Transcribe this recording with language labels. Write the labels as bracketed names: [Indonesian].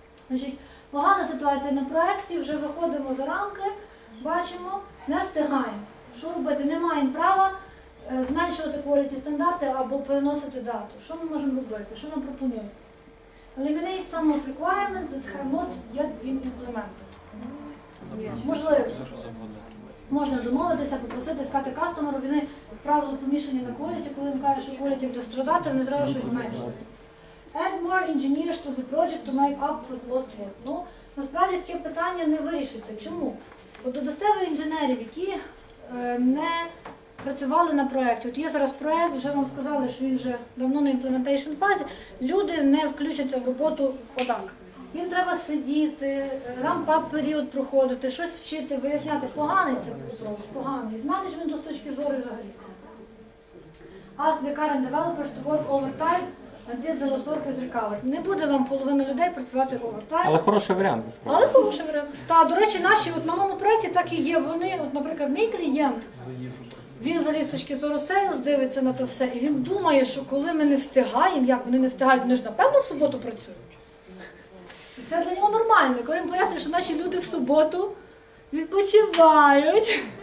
[Ukrainian] Значить, погана ситуація на проєкті, вже виходимо за рамки, бачимо, не встигаємо. Що робити? Не маємо права зменшувати кваліті стандарти або переносити дату. Що ми можемо робити? Що нам пропонують? [English] Eliminate some of requirements that have not yet been implemented. [Ukrainian] Можливо. Можна домовитися, попросити, сказати кастомеру, вони правила помішані на кваліті, коли він каже, що кваліті буде страждати, не зразу щось зменшувати. [English] Add more engineers to the project to make up for lost work. [Ukrainian] Ну, насправді таке питання не вирішиться. Чому? Бо додатково інженерів, які не працювали на проєкті. От є зараз проєкт, вже вам сказали, що він вже давно на implementation фазі. Люди не включаться в роботу отак. Їм треба сидіти, рамп-ап період проходити, щось вчити, виясняти. Поганий це процес, поганий. З менеджменту з точки зору взагалі. [English] As the current developers to work overtime, until the last work is recovered. [Ukrainian] Не буде вам половина людей працювати overtime. Але хороший варіант, насправді. Але хороший варіант. Та, до речі, наші от на моєму проєкті так і є. Вони, от, наприклад, мій клієнт, він взагалі з точки зору сейлз дивиться на то все, і він думає, що коли ми не встигаємо, як вони не встигають, вони ж напевно в суботу працюють. І це для нього нормально, коли він пояснює, що наші люди в суботу відпочивають.